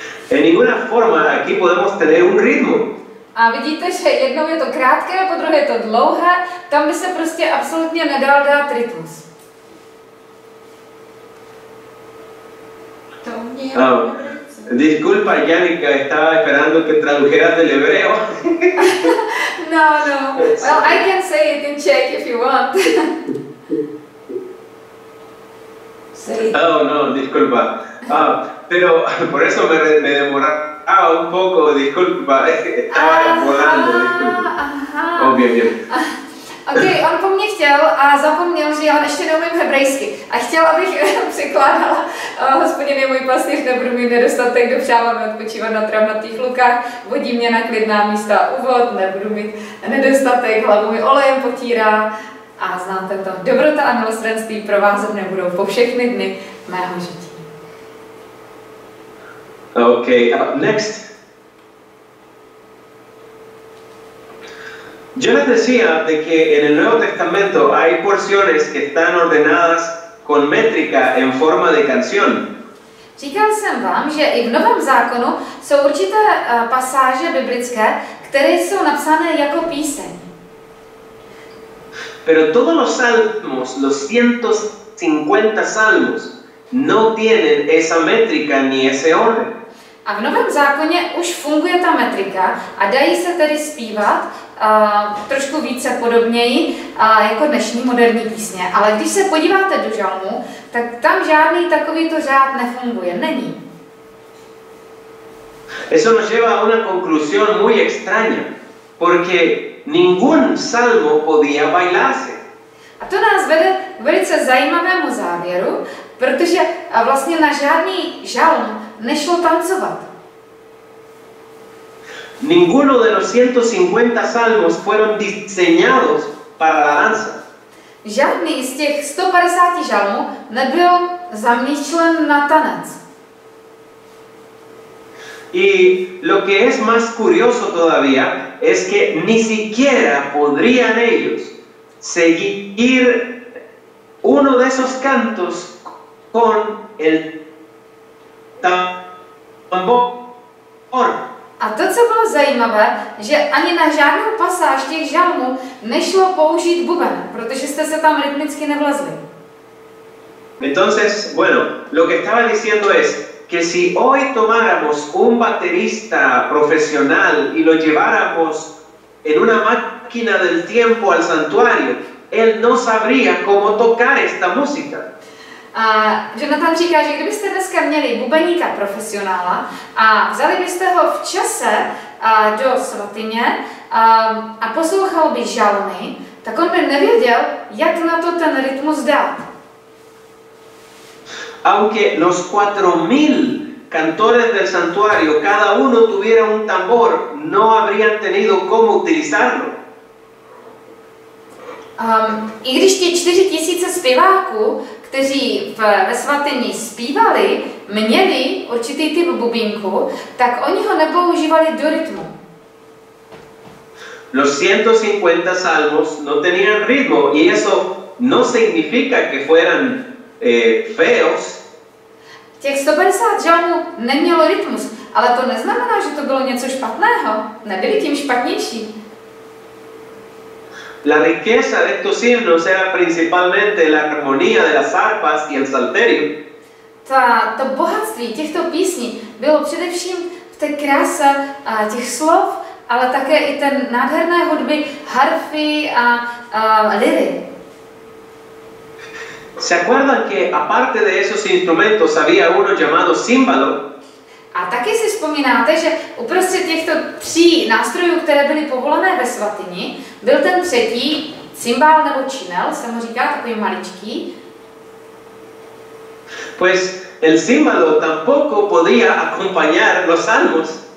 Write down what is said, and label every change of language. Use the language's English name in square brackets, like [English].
[Spanish] En ninguna forma aquí podemos tener un ritmo. [Czech] A vidíte, že jednou je to krátké, po druhé je to dlouhé, tam by se prostě absolutně nedal dát rytmus. To mě je [Spanish] Disculpa, Yannicka, estaba esperando que tradujeras del hebreo. No. [English] Well, I can say it in Czech if you want. [Spanish] Oh, no, disculpa. Pero por eso me demoraba un poco, disculpa. Estaba volando, disculpa. Oh, bien, bien. [Czech] Okay, on po mně chtěl a zapomněl, že já ještě neumím hebrejsky. A chtěl, abych překládala. Hospodin je můj pastýř, nebudu mít nedostatek, dopřávám odpočívat na travnatých lukách, vodí mě na klidná místa u vod, nebudu mít nedostatek, hlavu mi olejem potírá. A znáte to, dobrota a milosrdenství pro vás nebudou po všechny dny mého žití. [English] Ok, next. [Spanish] Yo les decía de que en el Nuevo Testamento hay porciones que están ordenadas con métrica en forma de canción. [Czech] Říkal jsem vám, že i v Novém zákonu jsou určité pasáže biblické, které jsou napsané jako píseň. [Spanish] Pero todos los salmos, los 150 salmos, no tienen esa métrica ni ese orden. [Czech] A v Novém zákoně už funguje ta metrika a dají se tedy zpívat trošku více podobněji jako dnešní moderní písně. Ale když se podíváte do žalmu, tak tam žádný takovýto řád nefunguje, není. [Spanish] Eso nos lleva a una conclusión muy extraña, porque ningún salmo podía bailarse. [Czech] A to nás vede k velice zajímavému závěru, protože vlastně na žádný žalm nešlo tancovat. [Spanish] Ninguno de los 150 salmos fueron diseñados para la danza. [Czech] Žádný z těch 150 žalmů nebyl zamýšlen na tanec. [Spanish] Y lo que es más curioso todavía es que ni siquiera podrían ellos seguir uno de esos cantos con el tambor. [Czech] A to, co bylo zajímavé, že ani na žádnou pasáž těch žalmů nešlo použít buben, protože jste se tam rytmicky nevlezli. [Spanish] Entonces, bueno, lo que estaba diciendo es que si hoy tomáramos un baterista profesional y lo lleváramos en una máquina del tiempo al santuario, él no sabría cómo tocar esta música. [Czech] A Jonathan říká, že kdybyste dneska měli bubeníka profesionála a vzali byste ho v čase do svatyně a poslouchal by žalmy, tak on by nevěděl, jak na to ten rytmus dát. [Spanish] Aunque los 4000 cantores del santuario cada uno tuviera un tambor, no habrían tenido cómo utilizarlo. [Czech] I když ti 4000 zpěváků, kteří ve svatyni zpívali, měli určitý typ bubínku, tak oni ho nepoužívali do rytmu. [Spanish] Los 150 salmos no tenían ritmo y eso no significa que fueran feos. [Czech] Těch 150 žalmů nemělo rytmus, ale to neznamená, že to bylo něco špatného. Nebyli tím špatnější. [Spanish] La riqueza de estos himnos era principalmente la armonía de las arpas y el salterio. [Czech] To bohatství těchto písní bylo především v té kráse těch slov, ale také i té nádherné hudby, harfy a liry. [Spanish] ¿Se acuerdan que aparte de esos instrumentos había uno llamado címbalo? [Czech] A taky si vzpomínáte, že uprostřed těchto tří nástrojů, které byly povolené ve svatyni, byl ten třetí cymbál nebo činel, se mu říká, takový maličký. [Spanish] Pues el címbalo tampoco podía acompañar los salmos.